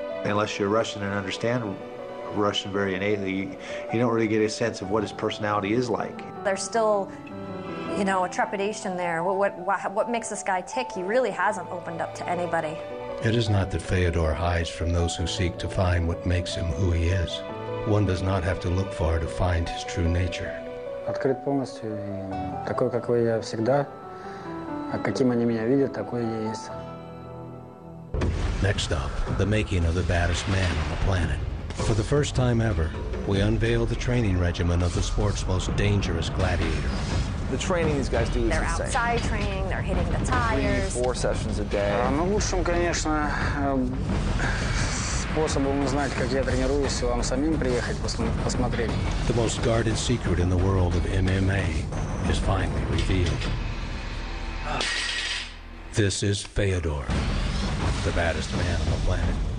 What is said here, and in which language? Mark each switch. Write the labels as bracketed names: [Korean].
[English] Unless you're Russian and understand Russian very innately, you don't really get a sense of what his personality is like. There's still, you know, a trepidation there. What makes this guy tick? He really hasn't opened up to anybody. It is not that Fedor hides from those who seek to find what makes him who he is. One does not have to look far to find his true nature. [Russian] Открыт полностью, такой, какой я всегда. А каким они меня видят, такой я есть. [English] Next up, the making of the baddest man on the planet. For the first time ever, we unveil the training regimen of the sport's most dangerous gladiator. The training these guys do is they're insane. They're outside training, they're hitting the tires. 3-4 sessions a day. [Russian] Ну, лучшим, конечно, способом узнать, как я тренируюсь, вам самим приехать посмотреть. [English] The most guarded secret in the world of MMA is finally revealed. This is Fedor, the baddest man on the planet.